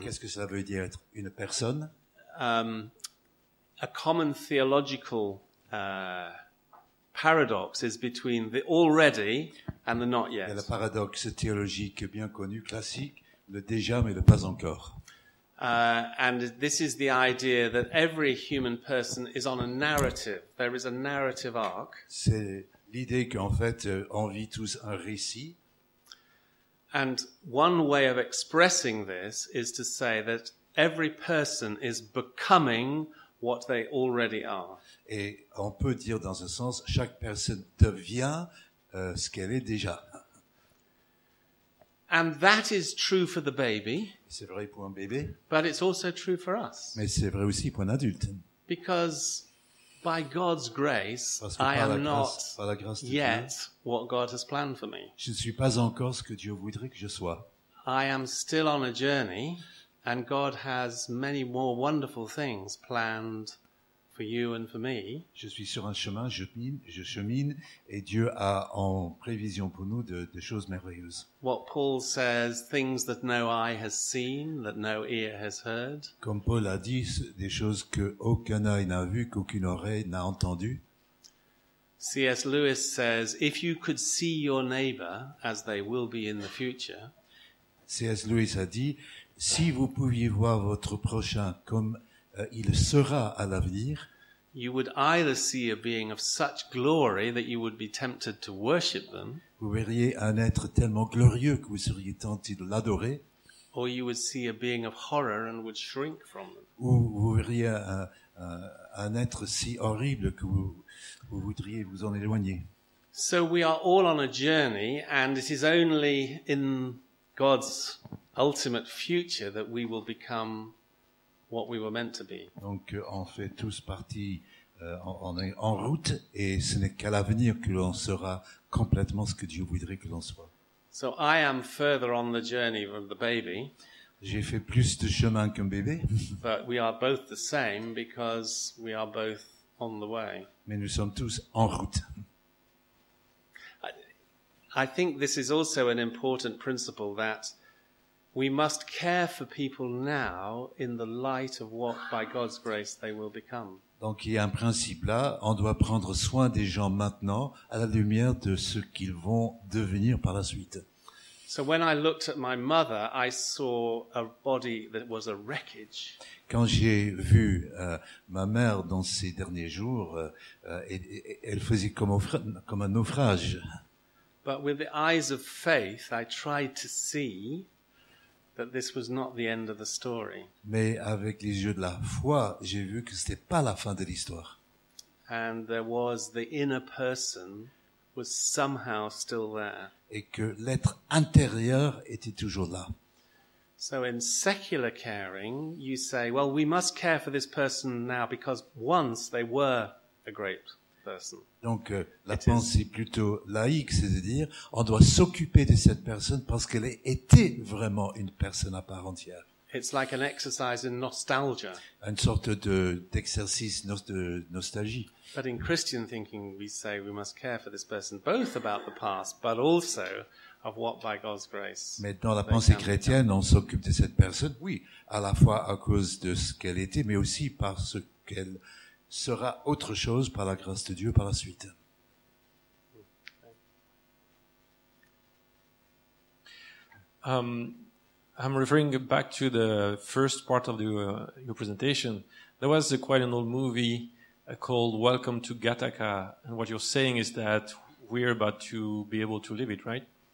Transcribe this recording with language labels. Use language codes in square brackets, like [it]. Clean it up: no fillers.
[fr] Qu'est-ce que ça veut dire être une personne? [en] A common theological paradox is between the already and the not yet. [fr] Il y a le paradoxe théologique bien connu, classique, le déjà mais le pas encore. [en] And this is the idea that every human person is on a narrative. There is a narrative arc. [fr] C'est l'idée qu'en fait, on vit tous un récit. [en] And one way of expressing this is to say that every person is becoming what they already are. [fr] Et on peut dire dans un sens, chaque personne devient ce qu'elle est déjà. [en] And that is true for the baby. [fr] C'est vrai pour un bébé. [en] But it's also true for us. [fr] Mais c'est vrai aussi pour un adulte. [en] Because by God's grace, I am not yet what God has planned for me. [fr] Je ne suis pas encore ce que Dieu voudrait que je sois. [en] I am still on a journey, and God has many more wonderful things planned for you and for me. [fr] Je suis sur un chemin, je chemine, et Dieu a en prévision pour nous de choses merveilleuses. [en] What Paul says, things that no eye has seen, that no ear has heard. [fr] Comme Paul a dit, des choses que aucun œil n'a vu, qu'aucune oreille n'a entendu. [en] C.S. Lewis says, if you could see your neighbor as they will be in the future. [fr] C.S. Lewis a dit, si vous pouviez voir votre prochain comme il sera à l'avenir. [en] You would either see a being of such glory that you would be tempted to worship them. [fr] Vous verriez un être tellement glorieux que vous seriez tenté de l'adorer. [en] Or you would see a being of horror and would shrink from them. [fr] Ou vous verriez un être si horrible que vous voudriez vous en éloigner. [en] So we are all on a journey, and it is only in God's ultimate future that we will become what we were meant to be. [fr] Donc on fait tous partie, on est en route, et ce n'est qu'à l'avenir que l'on sera complètement ce que Dieu voudrait que l'on soit. [en] So I am further on the journey than the baby. [fr] J'ai fait plus de chemin qu'un bébé. [en] But we are both the same because we are both on the way. [fr] Mais nous sommes tous en route. [en] I think this is also an important principle that we must care for people now in the light of what, by God's grace, they will become. [fr] Donc il y a un principe là, on doit prendre soin des gens maintenant à la lumière de ce qu'ils vont devenir par la suite. [en] So when I looked at my mother, I saw a body that was a wreckage. [fr] Quand j'ai vu ma mère dans ses derniers jours, elle faisait comme un naufrage. [en] But with the eyes of faith, I tried to see that this was not the end of the story. [fr] Mais avec les yeux de la foi, j'ai vu que c'était pas la fin de l'histoire. [en] And there was the inner person was somehow still there. [fr] Et que l'être intérieur était toujours là. [en] So in secular caring, you say, well, we must care for this person now because once they were a great person. [fr] Donc la It pensée is. Plutôt laïque, c'est-à-dire on doit s'occuper de cette personne parce qu'elle était vraiment une personne à part entière. [en] It's like an exercise in nostalgia. [fr] Une sorte d'exercice de nostalgie. [en] But in Christian thinking, we say we must care for this person both about the past, but also of what by God's grace. [fr] Mais dans la pensée chrétienne, on s'occupe de cette personne, oui, à la fois à cause de ce qu'elle était, mais aussi parce qu'elle sera autre chose par la grâce de Dieu par la suite. [en] I'm referring back to the first part of your presentation. There was quite an old movie called Welcome to Gattaca, and what you're saying is that we're about to be able to live it, right?